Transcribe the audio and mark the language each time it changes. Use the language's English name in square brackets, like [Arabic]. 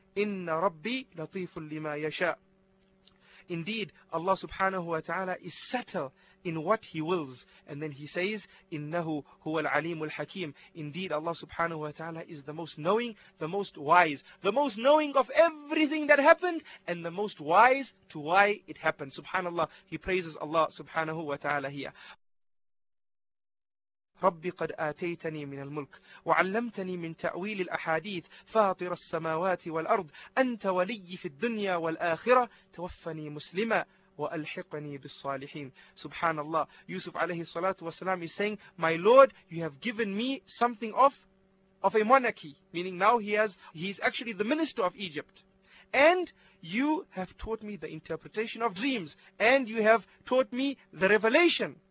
[Arabic] Inna Rabbi latifun lima yasha. [English] Indeed, Allah subhanahu wa ta'ala is subtle in what He wills. And then He says, [Arabic] innahu huwa al-alimul hakim. [English] Indeed, Allah subhanahu wa ta'ala is the most knowing, the most wise, the most knowing of everything that happened, and the most wise to why it happened. Subhanallah, he praises Allah subhanahu wa ta'ala here. [Arabic] ربي قد آتيتني من الملك وعلمتني من تأويل الأحاديث فاطر السماوات والأرض أنت ولي في الدنيا والآخرة توفني مسلما وألحقني بالصالحين. سبحان الله. يوسف عليه الصلاة والسلام [English] is saying, my Lord, you have given me something of a monarchy, meaning now he is actually the minister of Egypt, and you have taught me the interpretation of dreams, and you have taught me the revelation.